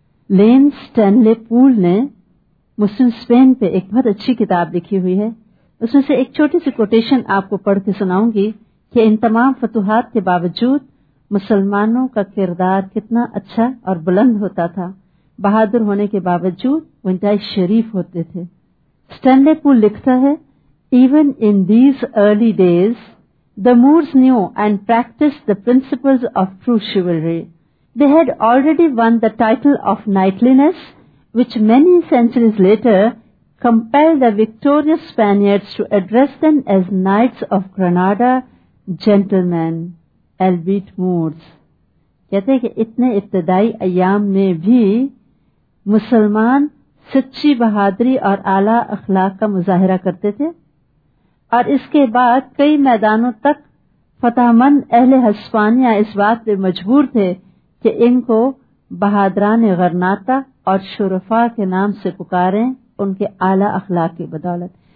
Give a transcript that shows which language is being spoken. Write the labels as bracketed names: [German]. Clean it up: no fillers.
[Urdu] لین Stanley پول نے مسلم Spain پہ ایک بہت اچھی کتاب لکھی ہوئی ہے, اس میں سے ایک چھوٹی سی کوٹیشن آپ کو پڑھ کے سناؤں گی کہ ان تمام فتوحات کے باوجود مسلمانوں کا کردار کتنا اچھا اور بلند ہوتا تھا, بہادر ہونے کے باوجود وہ انتہائی شریف ہوتے تھے. [English] Stanley Poole [Urdu] لکھتا ہے [English] Even in these early days, the Moors knew and practiced the principles of true chivalry. They had already won the title of knightliness, which many centuries later compelled the victorious Spaniards to address them as Knights of Granada, gentlemen, albeit Moors. [Urdu] کہتے ہیں کہ اتنے ابتدائی ایام میں بھی مسلمان سچی بہادری اور اعلی اخلاق کا مظاہرہ کرتے تھے, اور اس کے بعد کئی میدانوں تک فتح مند اہل ہسپانیہ اس بات پہ مجبور تھے کہ ان کو بہادران غرناطا اور شرفا کے نام سے پکاریں ان کے اعلی اخلاق کی بدولت.